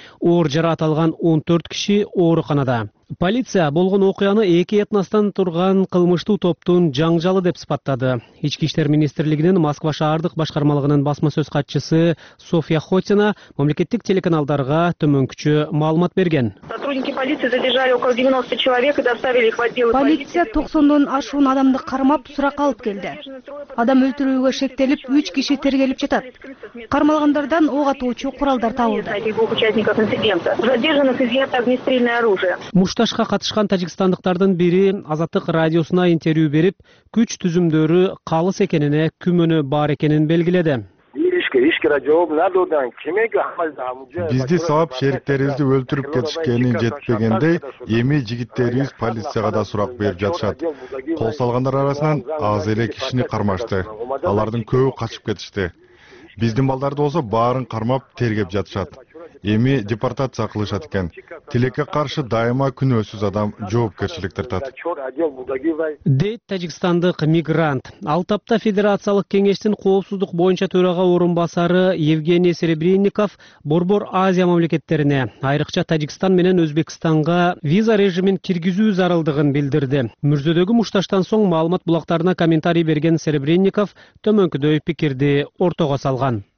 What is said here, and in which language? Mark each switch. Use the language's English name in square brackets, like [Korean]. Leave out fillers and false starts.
[Kyrgyz] Оор жараат алган 14 киши ооруканада. Полиция болгон окуяны эки этностан турган кылмыштуу топтун жаңжалы деп сыпаттады. Ички иштер министрлигинин Москва шаардык башкармалыгынын басма сөз катчысы Софья Хотина мамлекеттик телеканалдарга төмөнкүчө маалымат берген. [Russian] Сотрудники полиции задержали около 90 человек и доставили их в отдел. [Kyrgyz] Полиция 90 ашуун адамды кармап суракка алып келди. Адам өлтүрүүгө шектелип 3 киши тергелип жатат. Кармалгандардан ок атуучу куралдар табылды. [Russian] Задержанных изъято огнестрельное оружие. [Kyrgyz] Мушташка катышкан тажикстандыктардын бири Азаттык радиосуна интервью берип, күч түзүмдөрү калыс экенине күмөнү бар экенин белгиледи. Бизди саап шериктерибизди өлтүрүп кетишкени жетпегендей, эми жигиттерибиз полицияга да сурак берип жатышат. Кол салгандар арасынан аз эле кишини кармашты. Алардын көбү качып кетишти. Биздин балдарды болсо баарын кармап тергеп жатышат. Эми депортация кылышат экен. Тилекке каршы дайыма күнөөсүз адам жоопкерчилик тартат. Дейт тажикстандык мигрант. Алты апта Федерациялык кеңештин коопсуздук боюнча төрага орун басары Евгений Серебринников Борбор Азия мамлекеттерине, айрыкча Тажикстан менен Өзбекстанга виза режимин киргизүү зарылдыгын билдирди. Мүрзөдөгү мушташтан соң маалымат булактарына комментарий берген Серебринников төмөнкүдөй пикирди ортого салган.